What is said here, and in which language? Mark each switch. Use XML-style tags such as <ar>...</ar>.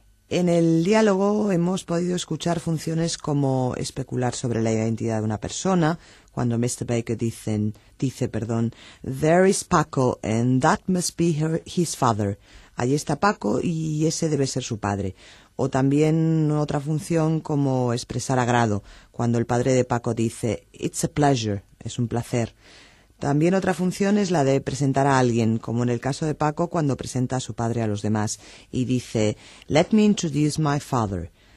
<es>En el diálogo hemos podido escuchar funciones como especular sobre la identidad de una persona, cuando Mr.</es> <en>Baker dice, there is Paco and that must be his father.</en> <es>Allí está Paco y ese debe ser su padre. O también otra función como expresar agrado, cuando el padre de Paco dice,</es> <en>it's a pleasure,</en> <es>es un placer. También otra función es la de presentar a alguien, como en el caso de Paco cuando presenta a su padre a los demás y dice,</es> <en>let me introduce my father.</en>